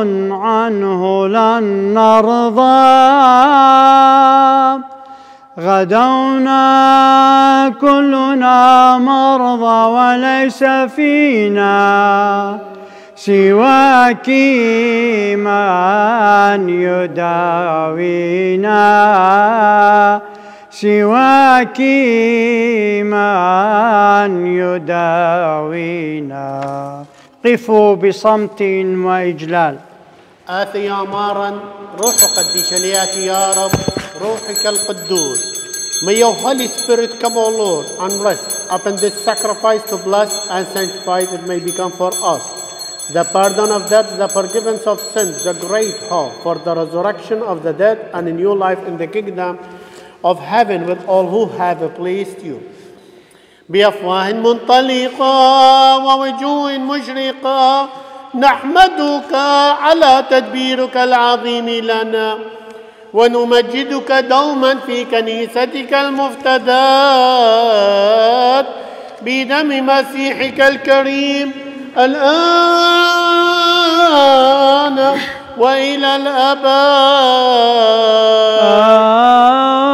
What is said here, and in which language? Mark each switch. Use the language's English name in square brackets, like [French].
[Arabic] عنه لن نرضى، غدونا كلنا مرضى وليس فينا سواك من يداوينا، سواك من يداوينا. قفوا بصمت وإجلال. آتي يا مارا روح قديش ليأتي يا رب روحك القدوس. [English] May your Holy Spirit come, O Lord, and rest upon this sacrifice to bless and sanctify it may become for us the pardon of death, the forgiveness of sins, the great hope for the resurrection of the dead and a new life in the kingdom of heaven with all who have pleased you. [Arabic] بأفواه منطلقة ووجوه مشرقة نحمدك على تدبيرك العظيم لنا ونمجدك دوما في كنيستك المفتدات بدم مسيحك الكريم الآن وإلى الأبد.